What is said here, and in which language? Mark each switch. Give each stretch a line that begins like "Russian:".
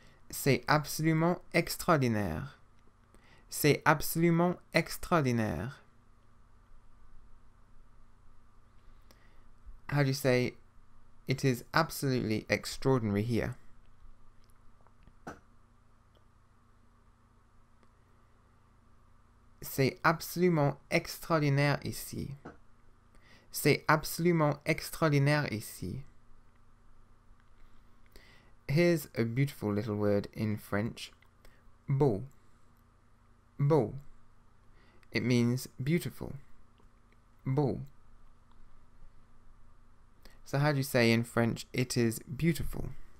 French: C'est absolument extraordinaire. C'est absolument extraordinaire.
English: How do you say it is absolutely extraordinary here?
French: C'est absolument extraordinaire ici. C'est absolument extraordinaire ici.
English: Here's a beautiful little word in French, beau. Beau. It means beautiful. Beau. So how do you say in French, it is beautiful?